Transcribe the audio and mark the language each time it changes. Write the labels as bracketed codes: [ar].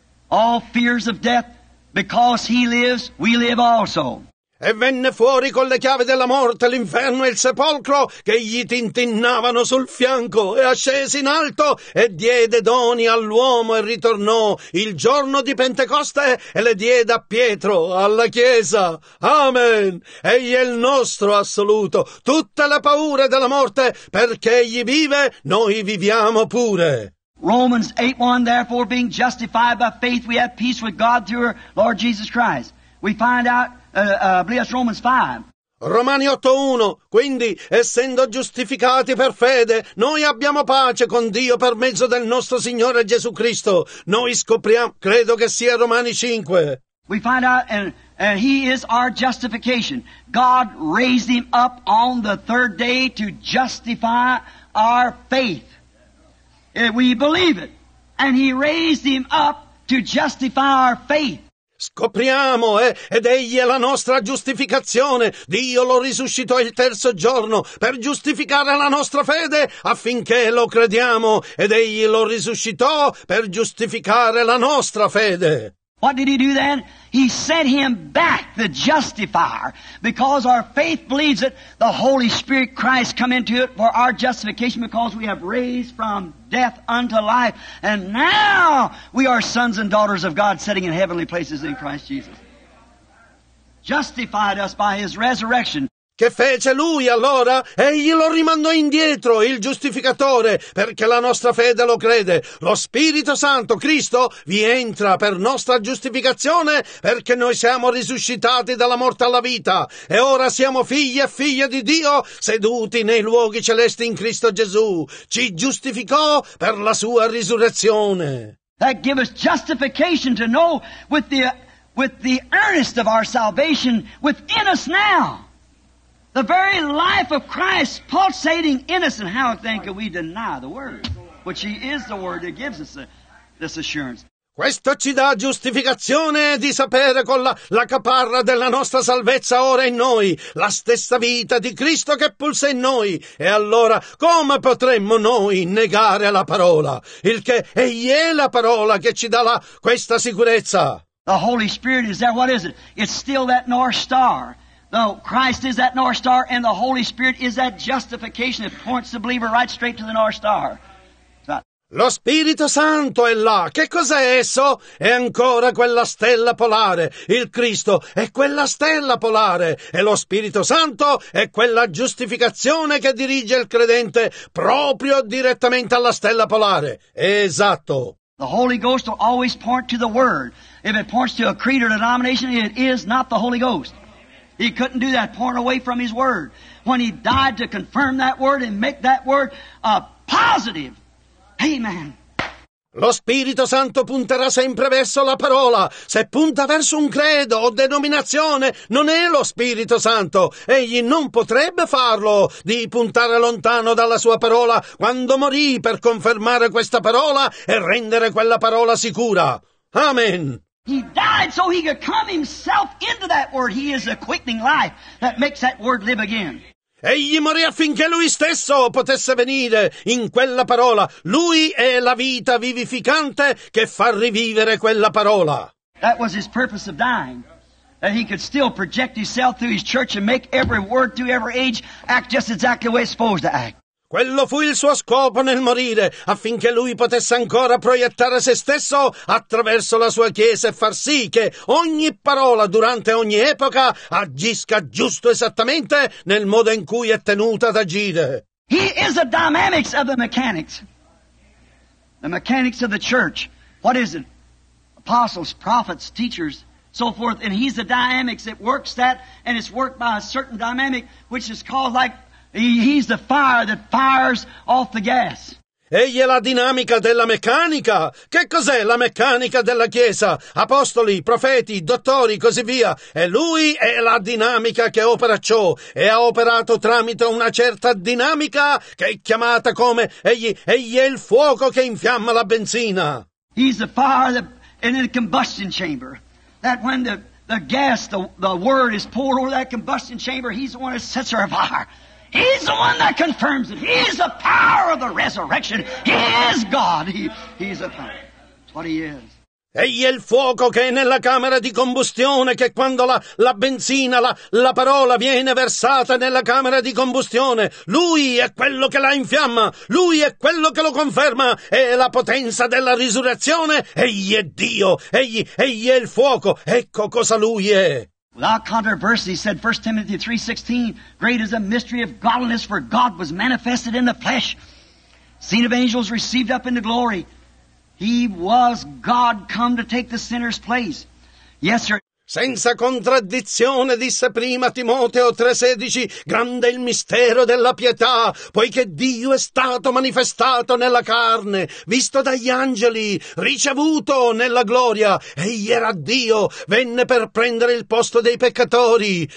[en] All fears of death, because he lives, we live also. [it] E venne fuori con le chiavi della morte, l'inferno e il sepolcro che gli tintinnavano sul fianco e ascese in alto e diede doni all'uomo e ritornò il giorno di Pentecoste e le diede a Pietro, alla Chiesa. Amen. Egli è il nostro assoluto. Tutte le paure della morte, perché egli vive, noi viviamo pure. [en] Romans 8:1, therefore being justified by faith, we have peace with God through our Lord Jesus Christ. We find out, believe us, Romans 5. [it] Romani 8:1, quindi essendo giustificati per fede, noi abbiamo pace con Dio per mezzo del nostro Signore Gesù Cristo. Noi scopriamo, credo che sia Romani 5. [en] We find out, and he is our justification. God raised him up on the third day to justify our faith. We believe it. And he raised him up to justify our faith. [it] Scopriamo, ed egli è la nostra giustificazione. Dio lo risuscitò il terzo giorno per giustificare la nostra fede affinché lo crediamo. Ed egli lo risuscitò per giustificare la nostra fede. [en] What did he do then? He sent him back, the justifier. Because our faith believes it, the Holy Spirit Christ come into it for our justification because we have raised from death unto life. And now we are sons and daughters of God sitting in heavenly places in Christ Jesus. Justified us by his resurrection. [it] Che fece lui allora? Egli lo rimandò indietro, il giustificatore, perché la nostra fede lo crede. Lo Spirito Santo, Cristo, vi entra per nostra giustificazione, perché noi siamo risuscitati dalla morte alla vita. E ora siamo figli e figlie di Dio, seduti nei luoghi celesti in Cristo Gesù. Ci giustificò per la sua risurrezione. [en] That gives us justification to know with the earnest of our salvation within us now. The very life of Christ pulsating in us, and how then can we deny the Word? But she is the Word that gives us this assurance. [it] Questo ci dà giustificazione di sapere con la caparra della nostra salvezza ora in noi, la stessa vita di Cristo che pulsa in noi. E allora, come potremmo noi negare la parola? Il che egli è la parola che ci dà questa sicurezza. [en] The Holy Spirit is there. What is it? It's still that North Star. No, Christ is that North Star, and the Holy Spirit is that justification that points the believer right straight to the North Star. [it] Lo Spirito Santo è là. Che cos'è esso? È ancora quella stella polare. Il Cristo è quella stella polare. E lo Spirito Santo è quella giustificazione che dirige il credente proprio direttamente alla stella polare. Esatto. [en] The Holy Ghost will always point to the Word. If it points to a creed or denomination, it is not the Holy Ghost. He couldn't do that, pouring away from his word. When he died to confirm that word and make that word a positive. Amen. [it] Lo Spirito Santo punterà sempre verso la parola. Se punta verso un credo o denominazione, non è lo Spirito Santo. Egli non potrebbe farlo, di puntare lontano dalla sua parola, quando morì per confermare questa parola e rendere quella parola sicura. Amen. [en] He died so he could come himself into that word. He is a quickening life that makes that word live again. [it] Egli morì affinché lui stesso potesse venire in quella parola. Lui è la vita vivificante che fa rivivere quella parola. [en] That was his purpose of dying, that he could still project himself through his church and make every word through every age act just exactly the way it's supposed to act. [it] Quello fu il suo scopo nel morire, affinché lui potesse ancora proiettare se stesso attraverso la sua chiesa e far sì che ogni parola durante ogni epoca agisca giusto esattamente nel modo in cui è tenuta ad agire. [en] He is the dynamics of the mechanics. The mechanics of the church. What is it? Apostles, prophets, teachers, so forth. And he's the dynamics that works that, and it's worked by a certain dynamic which is called like He's the fire that fires off the gas. [it] Egli è la dinamica della meccanica. Che cos'è la meccanica della Chiesa? Apostoli, profeti, dottori, così via. E lui è la dinamica che opera ciò. E ha operato tramite una certa dinamica che è chiamata come... Egli è il fuoco che infiamma la benzina. [en] He's the fire that, in the combustion chamber. That when the gas, the word is poured over that combustion chamber, he's the one that sets her afire. He's the one that confirms it. He is the power of the resurrection. He is God. He's the power. That's what he is. [it] Egli è il fuoco che è nella camera di combustione, che quando la benzina, la parola viene versata nella camera di combustione, lui è quello che la infiamma, lui è quello che lo conferma, è la potenza della risurrezione. Egli è Dio. Egli è il fuoco. Ecco cosa lui è. [en] Without controversy, said 1 Timothy 3:16, great is the mystery of godliness, for God was manifested in the flesh, seen of angels, received up into glory. He was God come to take the sinner's place. Yes, sir. [it] Senza contraddizione, disse prima Timoteo 3:16, grande è il mistero della pietà, poiché Dio è stato manifestato nella carne, visto dagli angeli, ricevuto nella gloria. Egli era Dio, venne per prendere il posto dei peccatori.